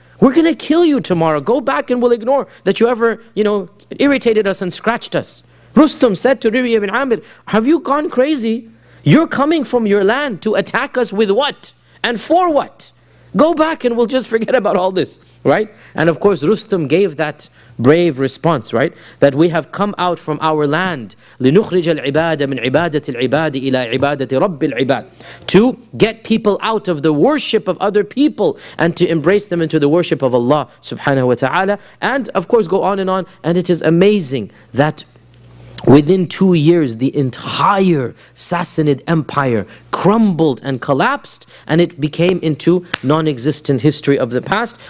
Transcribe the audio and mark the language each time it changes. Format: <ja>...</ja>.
<en>We're going to kill you tomorrow. Go back and we'll ignore that you ever, you know, irritated us and scratched us. Rustum said to Rabi' ibn Amr, have you gone crazy? You're coming from your land to attack us with what? And for what? Go back and we'll just forget about all this, right? And of course, Rustum gave that brave response, right? That we have come out from our land,</en> <ar>لِنُخْرِجَ الْعِبَادَ مِنْ عِبَادَةِ الْعِبَادِ إِلَىٰ عِبَادَةِ رَبِّ الْعِبَادِ.</ar> <en>To get people out of the worship of other people and to embrace them into the worship of Allah subhanahu wa ta'ala. And of course, go on and on. And it is amazing that within 2 years, the entire Sassanid Empire crumbled and collapsed, and it became into non-existent history of the past.</en>